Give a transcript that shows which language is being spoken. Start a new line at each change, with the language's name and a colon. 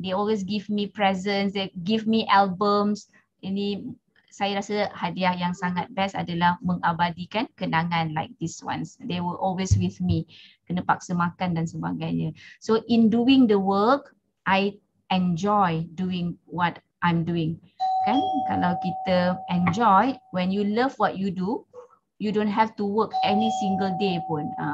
English: They always give me presents, they give me albums.
Malay: Ini saya rasa hadiah yang sangat best adalah mengabadikan kenangan
English: like this ones. They were always with me.
Malay: Kena paksa makan dan sebagainya.
English: So in doing the work, I enjoy doing what I'm doing. Kan?
Malay: Kalau kita
English: enjoy, when you love what you do, you don't have to work any single day pun.